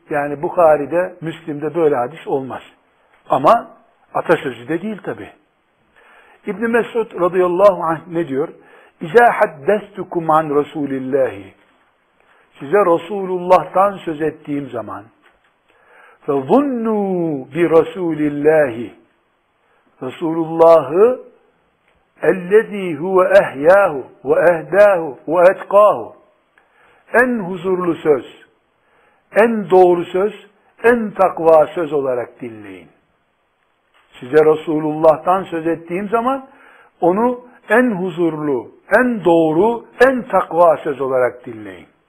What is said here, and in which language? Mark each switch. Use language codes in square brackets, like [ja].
[tr] Yani Bukhari'de, Müslim'de böyle hadis olmaz. Ama atasözü de değil tabi. İbn-i Mes'ud radıyallahu anh ne diyor? [ar] İzâ haddestukum an Resûlillâhi. [tr] Size Resûlullah'tan söz ettiğim zaman [ar] fe zunnû bi Resûlillâhi. Resûlullah'ı اَلَّذ۪ي هُوَ اَحْيَاهُ وَاَهْدَاهُ وَاَتْقَاهُ. [tr] En huzurlu söz, en doğru söz, en takva söz olarak dinleyin. size Resulullah'tan söz ettiğim zaman onu en huzurlu, en doğru, en takva söz olarak dinleyin.